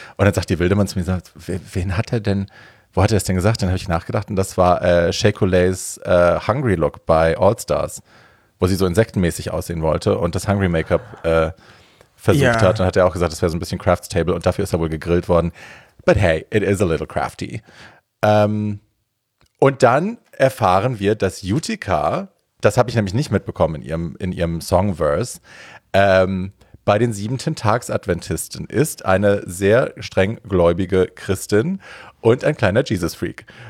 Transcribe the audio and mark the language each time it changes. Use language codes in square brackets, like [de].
[de] Und dann sagt die Wildemann zu mir, sagt, wen hat er denn, wo hat er das denn gesagt? Dann habe ich nachgedacht und das war Shea-Coley's Hungry Look bei All Stars, wo sie so insektenmäßig aussehen wollte und das Hungry Make-up versucht hat. Dann hat er auch gesagt, das wäre so ein bisschen Crafts Table und dafür ist er wohl gegrillt worden. [en] But hey, it is a little crafty. [de] Und dann erfahren wir, dass Utica, das habe ich nämlich nicht mitbekommen in ihrem Songverse, bei den Siebenten-Tags-Adventisten ist eine sehr streng gläubige Christin und ein kleiner Jesus-Freak.